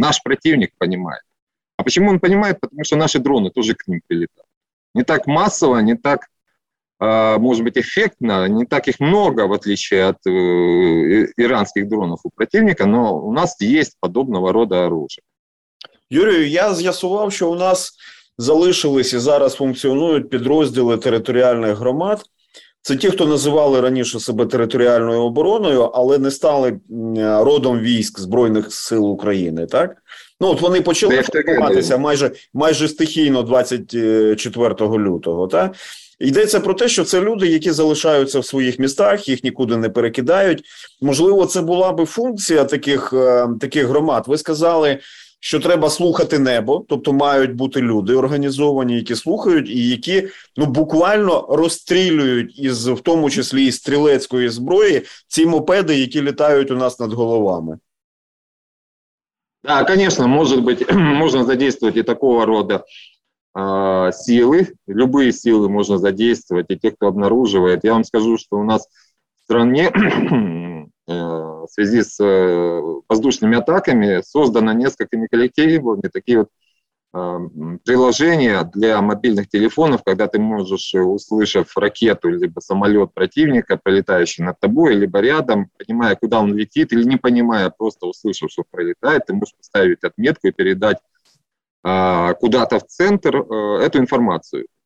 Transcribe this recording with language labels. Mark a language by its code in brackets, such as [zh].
[ru] Наш противник понимает. А почему он понимает? Потому что наши дроны тоже к ним прилетают. Не так массово, не так, может быть, эффектно, не так их много, в отличие от иранских дронов у противника, но у нас есть подобного рода оружие. [uk] Юрію, я з'ясував, що у нас залишились і зараз функціонують підрозділи територіальних громад. Це ті, хто називали раніше себе територіальною обороною, але не стали родом військ Збройних сил України, так? Ну, от вони почали формуватися майже стихійно 24 лютого, так? Йдеться про те, що це люди, які залишаються в своїх містах, їх нікуди не перекидають. Можливо, це була би функція таких громад. Ви сказали, що треба слухати небо, тобто мають бути люди організовані, які слухають, і які ну буквально розстрілюють із в тому числі і стрілецької зброї ці мопеди, які літають у нас над головами. Да, звісно, може бути, можна задіяти такого роду сили, [ru] любые сили можно задействовать, и те, кто обнаруживает. Я вам скажу, что у нас в стране в связи с воздушными атаками создано несколькими коллективами такие вот приложения для мобильных телефонов, когда ты можешь, услышав ракету либо самолет противника, пролетающий над тобой, либо рядом, понимая, куда он летит, или не понимая, просто услышав, что пролетает, ты можешь поставить отметку и передать куда-то в центр эту информацию.